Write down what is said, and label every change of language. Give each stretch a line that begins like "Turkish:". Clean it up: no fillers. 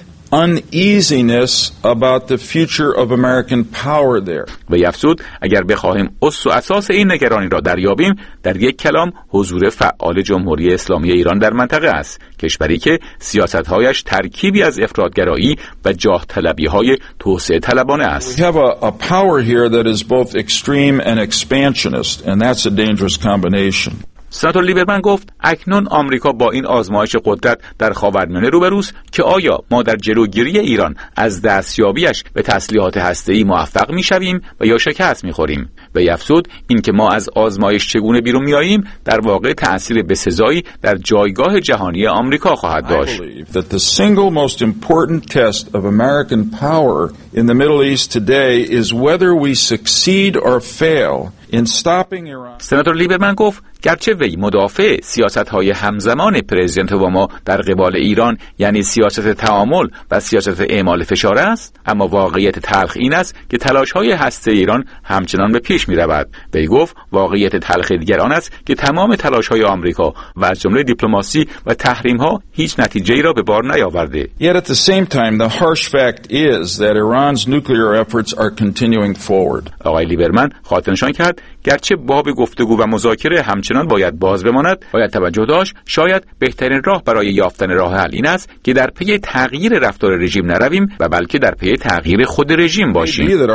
English: uneasiness about the future of American power there.
Persian: و یفسود اگر بخواهیم اس و اساس این نگرانی را دریابیم، در یک کلام حضور فعال جمهوری اسلامی ایران در منطقه است، کشوری که سیاست‌هایش ترکیبی از افرادگرایی و جاه طلبی‌های توسعه طلبانه است.
English: We have a power here that is both extreme and expansionist, and that's a dangerous combination.
Persian: سناتور لیبرمن گفت اکنون آمریکا با این آزمایش قدرت در خاورمیانه روبروست که آیا ما در جلوگیری ایران از دستیابیش به تسلیحات هسته‌ای موفق می‌شویم و یا شکست می‌خوریم. و یفسود این که ما از آزمایش چگونه بیرون می‌آییم در واقع تأثیر بسزایی در جایگاه جهانی آمریکا خواهد داشت.
English: The single most important test of American power in the Middle East today is whether we succeed or fail in stopping Iran.
Persian: سناتور لیبرمن گفت گرچه وی مدافع سیاست‌های همزمان پرزیدنت اوباما در قبال ایران، یعنی سیاست تعامل و سیاست اعمال فشار است، اما واقعیت تلخ این است که تلاش‌های هسته ایران همچنان به پیش می‌رود. وی گفت واقعیت تلخ دیگر آن است که تمام تلاش‌های آمریکا و از جمله دیپلماسی و تحریم‌ها هیچ نتیجه‌ای را به بار نیاورده.
English: Yet at the same time the harsh fact is that Iran's nuclear efforts are continuing forward.
Persian: آقای لیبرمن خاطرنشان کرد گرچه باب گفتگو و مذاکره همچنان باید باز بماند، باید توجه داشت شاید بهترین راه برای یافتن راه حل این است که در پی تغییر رفتار رژیم نرویم و بلکه در پی تغییر خود رژیم باشیم.